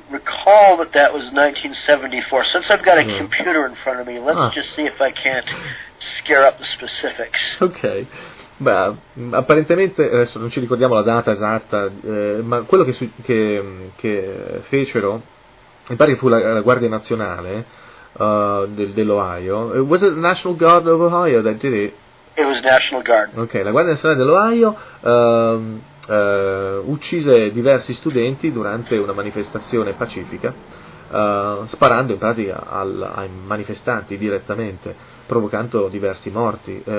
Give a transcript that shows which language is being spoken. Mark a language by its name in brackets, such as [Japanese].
[English] I recall that was 1974. Since I've got a computer in front of me, let's just see if I can't scare up the specifics. Okay. [Italian] Beh, apparentemente, adesso non ci ricordiamo la data esatta, ma quello che fecero, mi pare che fu la Guardia Nazionale dell'Ohio. [English] Was it the National Guard of Ohio that did it? It was National Guard. [Italian] Ok, la Guardia Nazionale dell'Ohio uccise diversi studenti durante una manifestazione pacifica sparando in pratica ai manifestanti direttamente, provocando diversi morti.